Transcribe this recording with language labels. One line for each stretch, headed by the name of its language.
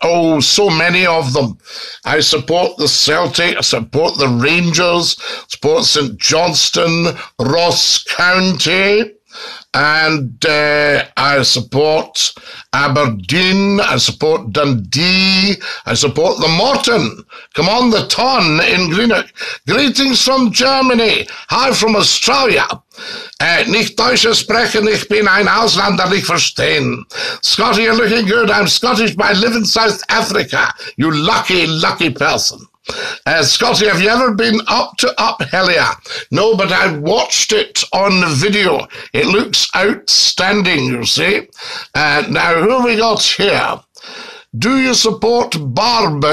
English: Oh, so many of them. I support the Celtic, I support the Rangers, support St Johnstone, Ross County, and I support Aberdeen, I support Dundee, I support the Morton. Come on, the Ton in Greenock. Greetings from Germany. Hi from Australia.
German: Nicht Deutsch sprechen, ich bin ein Ausländer, nicht verstehen.
English: Scotty, you're looking good. I'm Scottish, but I live in South Africa. You lucky, lucky person. Scotty, have you ever been up to Uphelia? No, but I've watched it on the video. It looks outstanding, you see. Now, who have we got here? Do you support Barb?